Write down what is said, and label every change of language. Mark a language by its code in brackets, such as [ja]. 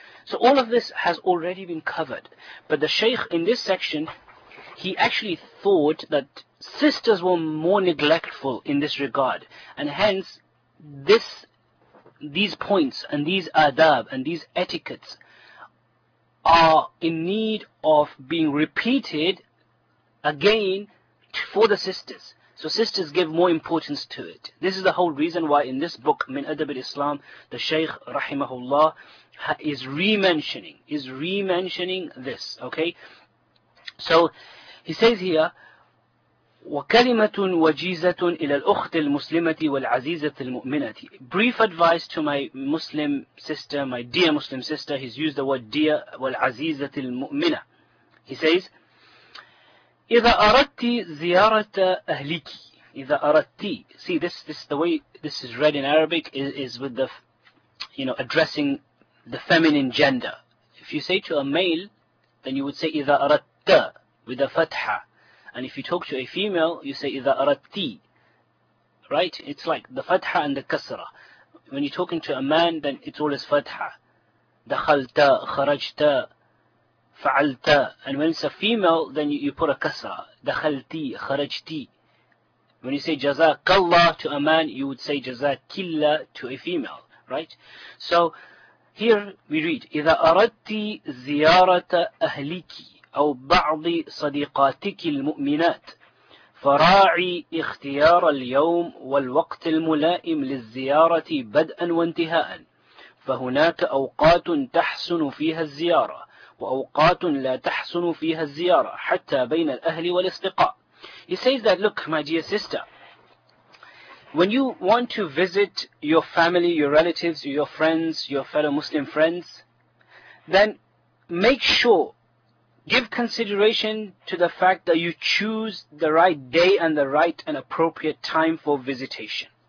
[en] So all of this has already been covered. But the Shaykh in this section, he actually thought that sisters were more neglectful in this regard, and hence these points and these adab and these etiquettes are in need of being repeated again for the sisters. So sisters give more importance to it. This is the whole reason why in this book, Min Adab al-Islam, the Shaykh rahimahullah is re-mentioning this, okay? So he says here, [ar] وكلمة وجيزة إلى الأخت المسلمة والعزيزة المؤمنة. [en] Brief advice to my Muslim sister, my dear Muslim sister. He's used the word dear, [ar] والعزيزة المؤمنة. [en] He says, [ar] إذا أردت زيارة أهلك. إذا أردت. [en] See, this the way this is read in Arabic is with the, you know, addressing the feminine gender. If you say to a male, then you would say [ar] إذا أردت [en] with a فتحة. And if you talk to a female, you say [ar] إذا أردتي, [en] right? It's like the fatha and the kasra. When you're talking to a man, then it's always fatha. [ar] دخلت, خرجت, فعلت. [en] And when it's a female, then you put a kasra. [ar] دخلتي, خرجتي. [en] When you say [ar] جزاك الله [en] to a man, you would say جزاك الله to a female, right? So here we read [ar] إذا أردتي زيارة أهليكي. أو بعض صديقاتك المؤمنات فراعي اختيار اليوم والوقت الملائم للزيارة بدءا وانتهاء فهناك أوقات تحسن فيها الزيارة وأوقات لا تحسن فيها الزيارة حتى بين الأهل والأصدقاء. [en] He says that, look my dear sister, when you want to visit your family, your relatives, your friends, your fellow Muslim friends, then make sure, give consideration to the fact that you choose the right day and the right and appropriate time for visitation.